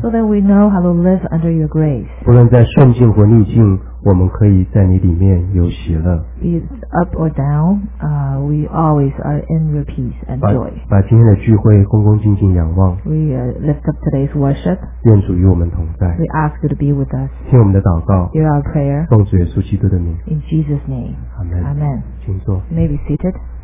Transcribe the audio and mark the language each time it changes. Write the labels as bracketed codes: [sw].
[en] So that we know how to live under your grace. [zh] 不论在顺境或逆境。我们可以在你里面有喜乐。 [en] It's up or down, we always are in your peace and joy. [zh] 把今天的聚会恭恭敬敬仰望。 [en] We lift up today's worship. [zh] 愿主与我们同在。 [en] We ask you to be with us. [zh] 听我们的祷告。 [en] Hear our prayer. [zh] 奉主耶稣基督的名。 [en] In Jesus' name. Amen. Amen. [zh] 请坐。 [en] May be seated.